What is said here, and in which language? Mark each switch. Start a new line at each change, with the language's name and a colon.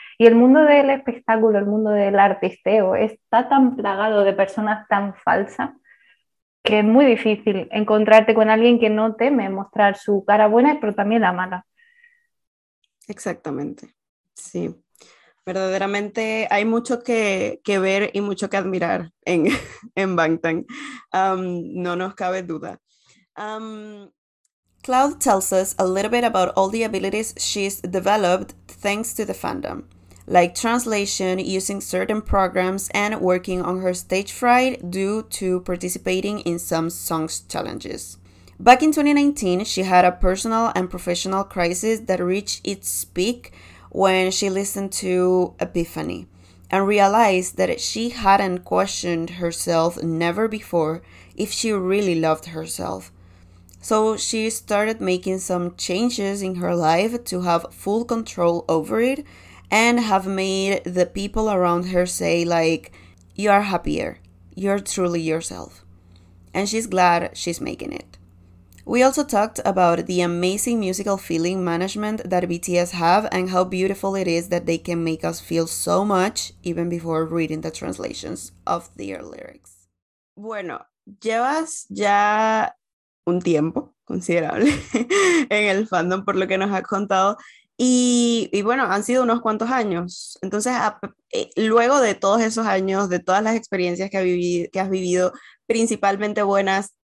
Spanish: Y el mundo del espectáculo, el mundo del artisteo, está tan plagado de personas tan falsas que es muy difícil encontrarte con alguien que no teme mostrar su cara buena, pero también la mala. Exactamente, sí. Verdaderamente hay mucho que ver y mucho que admirar en Bangtan. No nos cabe duda.
English: Cloud tells us a little bit about all the abilities she's developed thanks to the fandom, like translation, using certain programs, and working on her stage fright due to participating in some songs challenges. Back in 2019, she had a personal and professional crisis that reached its peak when she listened to Epiphany and realized that she hadn't questioned herself never before if she really loved herself. So she started making some changes in her life to have full control over it and have made the people around her say, like, you are happier, you're truly yourself. And she's glad she's making it. We also talked about the amazing musical feeling management that BTS have and how beautiful it is that they can make us feel so much even before reading the translations of their lyrics.
Spanish: Bueno, llevas ya un tiempo considerable en el fandom por lo que nos has contado y bueno, han sido unos cuantos años. Entonces, luego de todos esos años, de todas las experiencias que has vivido, principalmente buenas,